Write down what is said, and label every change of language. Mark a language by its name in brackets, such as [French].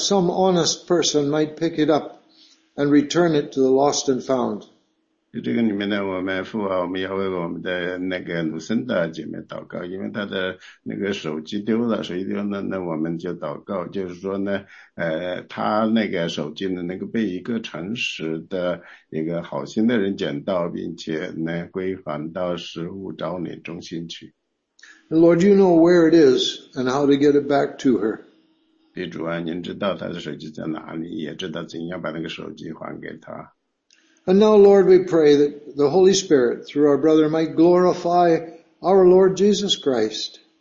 [English] Some honest person might pick it up and return it to the lost and found. [Chinese] 这个里面呢，我们父啊，我们要为我们的那个卢森达姐妹祷告，因为她的那个手机丢了，所以呢，那我们就祷告，就是说呢，她那个手机呢，能够被一个诚实的一个好心的人捡到，并且呢，归还到失物找你中心去。 [English] Lord, you know where it is and how to get it back to her. [Chinese] 地主啊，您知道他的手机在哪里，也知道怎样把那个手机还给他。 [English] And now, Lord, we pray that the Holy Spirit, through our brother, might glorify our Lord Jesus Christ.